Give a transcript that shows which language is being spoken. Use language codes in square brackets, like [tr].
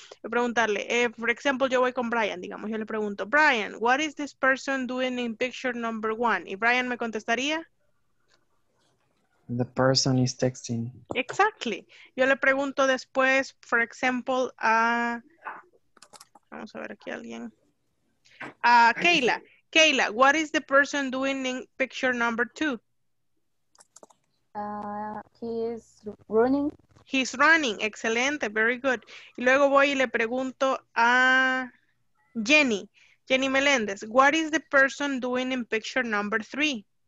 [es] Preguntarle, por ejemplo, yo voy con Brian, digamos, yo le pregunto, Brian, [en] what is this person doing in picture number one? [es] Y Brian me contestaría. [en] The person is texting. Exactly. [es] Yo le pregunto después, por ejemplo, a... Vamos a ver aquí a alguien. A Kayla. [en] Kayla, what is the person doing in picture number two? He is running. He's running. Excelente. Very good. [es] Y luego voy y le pregunto a Jenny. [en] Jenny Meléndez, what is the person doing in picture number three?